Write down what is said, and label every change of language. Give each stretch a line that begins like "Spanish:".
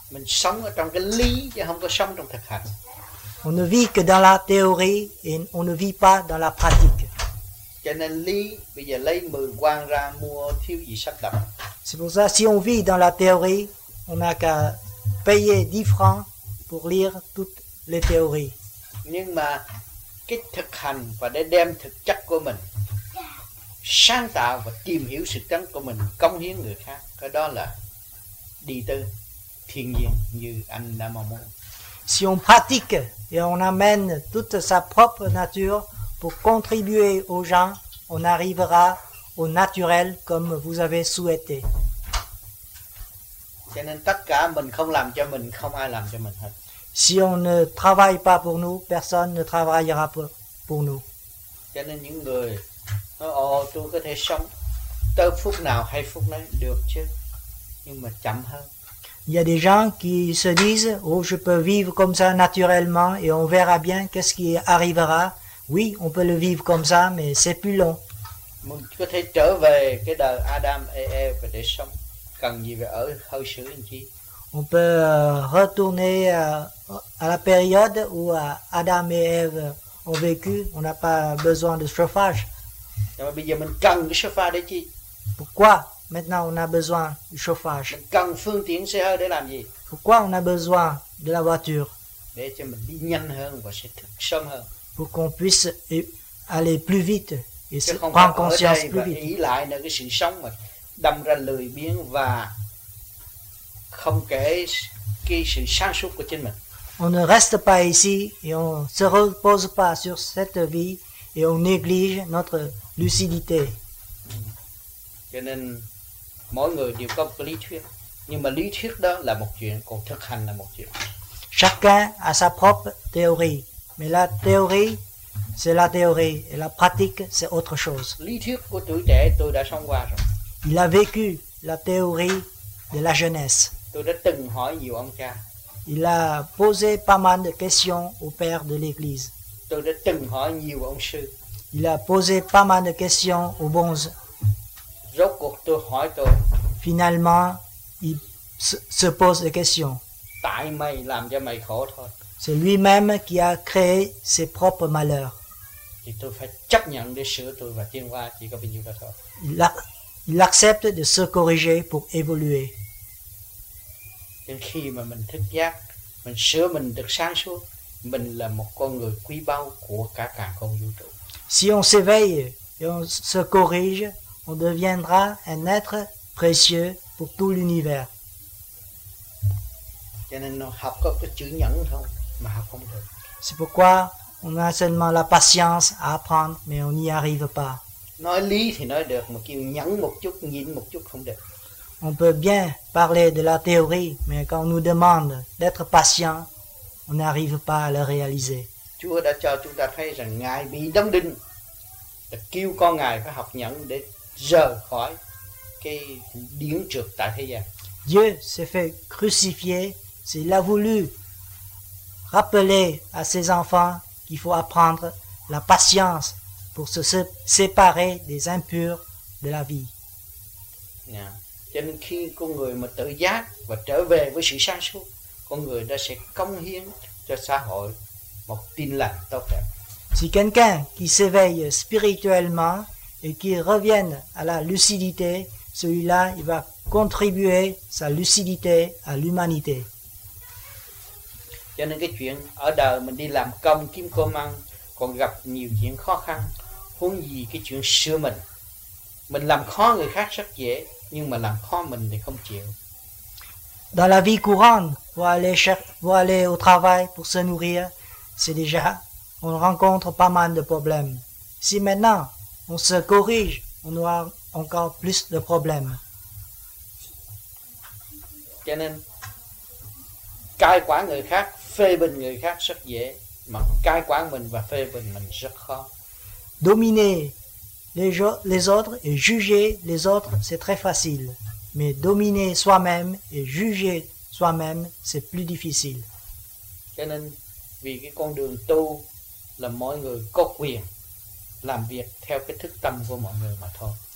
Vietnamese: Mình sống ở trong cái lý chứ không có sống trong thực hành.
French: On ne vit que dans la théorie et on ne vit pas dans la pratique.
Vietnamese: Cho nên lý bây giờ lấy 10 quan ra mua thiếu gì sắp đặt.
French: C'est pour ça, si on vit dans la théorie, on n'a qu'à payer 10 francs pour lire toutes les théories.
Vietnamese: Nhưng mà cái thực hành và để đem thực chất của mình sáng tạo và tìm hiểu sự tánh của mình, cống hiến người khác, cái đó là đi tư thiên nhiên như anh đã mong muốn.
French: Si on pratique et on amène toute sa propre nature pour contribuer aux gens, on arrivera au naturel comme vous avez souhaité.
Vietnamese: Cho nên tất cả mình không làm cho mình, không ai làm cho mình hết.
French: Si on ne travaille pas pour nous, personne ne travaillera pour nous.
Vietnamese: Cho nên những người nói, ồ, tôi có thể sống tới phút nào hay phút nấy, được chứ, nhưng mà chậm hơn.
French: Il y a des gens qui se disent, oh, je peux vivre comme ça naturellement et on verra bien qu'est-ce qui arrivera. Oui, on peut le vivre comme ça, mais c'est plus long.
Vietnamese: Mình có thể trở về cái đời Adam et Eve để sống. Cần gì phải ở hơi xử anh chị?
French: On peut retourner à la période où Adam et Eve ont vécu. On n'a pas besoin de chauffage.
Vietnamese: Nhưng mà bây giờ mình cần cái chauffage để chi?
French: Pourquoi maintenant on a besoin du chauffage?
Vietnamese: Mình cần phương tiện xe hơi để làm gì?
French: Pourquoi on a besoin de la voiture?
Vietnamese: Để cho mình đi nhanh hơn và sẽ thức sớm hơn.
French: Pour qu'on puisse aller plus vite et prendre conscience plus vite.
Vietnamese: Chứ không phải ở đây và ý lại nữa cái sự sống mà đâm ra lười biếng và không kể cái sự sáng suốt của chính mình.
French: On ne reste pas ici et on se repose pas sur cette vie et on néglige notre lucidité.
Vietnamese: Cho nên mỗi người đều có một lý thuyết, nhưng mà lý thuyết đó là một chuyện, còn thực hành là một chuyện.
French: Chacun a sa propre théorie, mais la théorie c'est la théorie et la pratique c'est autre chose.
Vietnamese: Lý thuyết của tuổi trẻ tôi đã sống qua rồi.
French: Il a vécu la théorie de la jeunesse.
Vietnamese: Tôi đã từng hỏi nhiều ông cha.
French: Il a posé pas mal de questions au père de l'église.
Vietnamese: Tôi đã từng hỏi nhiều ông sư.
French: Il a posé pas mal de questions aux bons.
Vietnamese: Rốt cuộc tôi hỏi tôi.
French: Finalement, il se pose des questions.
Vietnamese: Tại mày làm cho mày khổ thôi.
French: C'est lui-même qui a créé ses propres malheurs.
Vietnamese: Thì tôi phải chấp nhận để sửa tôi và tiến qua chỉ có bao nhiêu đó thôi.
French: Il accepte de se corriger pour évoluer.
Vietnamese: Đến khi mà mình thức giác, mình sửa mình được sáng suốt, mình là một con người quý báu của cả càn khôn vũ trụ.
French: Si on s'éveille et on se corrige, on deviendra un être précieux pour tout l'univers.
Vietnamese: Cho nên nó học có cái chữ nhẫn thôi mà học không được.
French: C'est pourquoi on a seulement la patience à apprendre, mais on n'y arrive pas.
Vietnamese: Nói lý thì nói được, mà kêu nhẫn một chút, nhịn một chút không được.
French: On peut bien parler de la théorie, mais quand on nous demande d'être patient, on n'arrive pas à le réaliser.
Vietnamese: Chúa đã cho chúng ta thấy rằng Ngài bị đóng đinh, là kêu con Ngài phải học nhẫn để rời khỏi cái điển trược tại thế gian.
French: Dieu s'est fait crucifier, s'il a voulu rappeler à ses enfants qu'il faut apprendre la patience pour se séparer des impurs de la vie.
Vietnamese: Cho nên khi con người mà tự giác và trở về với sự sáng suốt, con người đã sẽ cống hiến cho xã hội một tin lành tốt đẹp.
French: Si quelqu'un qui s'éveille spirituellement et qui revienne à la lucidité, celui-là il va contribuer sa lucidité à l'humanité.
Vietnamese: Cho nên cái chuyện ở đời mình đi làm công kiếm cơm ăn còn gặp nhiều chuyện khó khăn, huống gì cái chuyện sửa mình. Mình làm khó người khác rất dễ, nhưng mà làm khó mình thì không chịu.
French: Dans la vie courante, pour aller au travail pour se nourrir, c'est déjà on rencontre pas mal de problèmes. Si maintenant on se corrige, on aura encore plus de problèmes.
Vietnamese: Cho nên cai quản người khác, phê bình người khác rất dễ, mà cai quản mình và phê bình mình rất khó.
French: Dominer les autres et juger les autres, c'est très facile. Mais dominer soi-même et juger soi-même, c'est plus difficile.
Vietnamese: Cho nên, vì cái con đường tu là mọi người có quyền làm việc theo cái thức tâm của mọi người mà thôi.